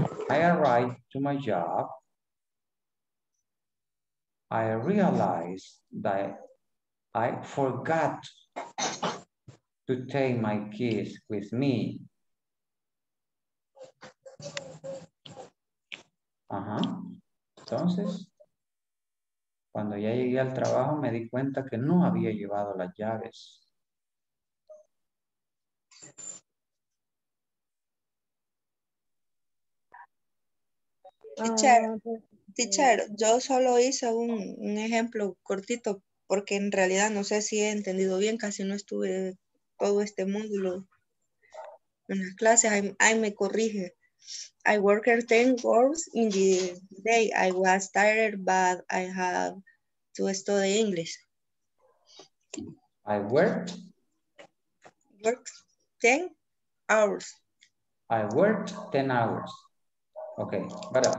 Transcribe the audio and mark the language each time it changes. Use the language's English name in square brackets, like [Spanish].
[English] I arrived to my job. I realized that I forgot to take my keys with me. Ajá. [Spanish] Entonces, cuando ya llegué al trabajo, me di cuenta que no había llevado las llaves. Teacher, teacher, yo solo hice un ejemplo cortito, porque en realidad no sé si he entendido bien, casi no estuve todo este módulo en las clases, ahí me corrige. [English] I worked 10 hours in the day. I was tired, but I have to study English. I worked 10 hours. I worked 10 hours. Okay, but